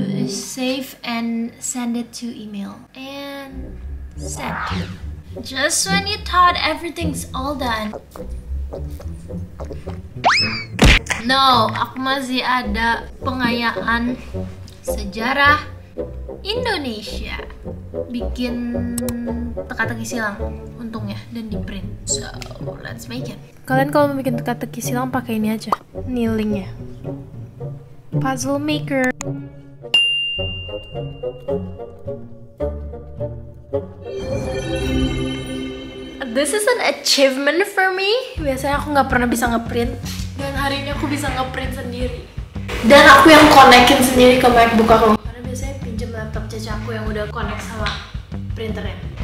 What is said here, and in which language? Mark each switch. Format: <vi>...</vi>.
<en>Save and send it to email. And send. Just when you thought everything's all done.</en> <id>No, aku masih ada pengayaan sejarah Indonesia. Bikin teka-teki silang untungnya dan di print.</id> <en>So, let's make it.</en> <id>Kalian kalau mau bikin teka-teki silang pakai ini aja. Nilingnya. Puzzle maker.</id> <en>This is an achievement for me.</en> <id>Biasanya aku gak pernah bisa nge-print. Dan hari ini aku bisa nge-print sendiri. Dan aku yang connectin sendiri ke MacBook aku. Karena biasanya pinjem laptop caca aku yang udah connect sama printernya.</id>